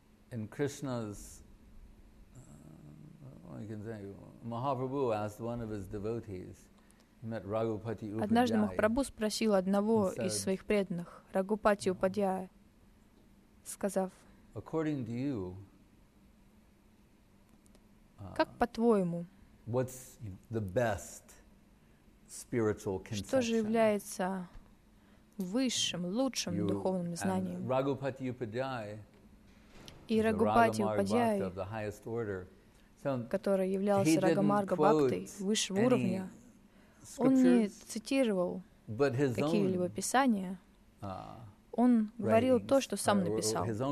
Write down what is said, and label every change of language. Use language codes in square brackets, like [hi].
[en] In Krishna's, what can I say? Mahaprabhu asked one of his devotees. He met Raghupati Upadhyaya. [ru] Однажды Махапрабху спросил одного из своих преданных, Рагхупати Упадхьяя, сказав: [en] "According to you, [ru] как по-твоему?" [en] What's the best spiritual conception? [ru] Что же является высшим, лучшим духовным знанием? [en] Raghupati Upadhyaya, [ru] и Рагхупати Упадхьяя, [en] of the highest order, [ru] который являлся Рагамарга Бхактой высшего уровня, он не цитировал какие-либо писания, он говорил то, что сам написал.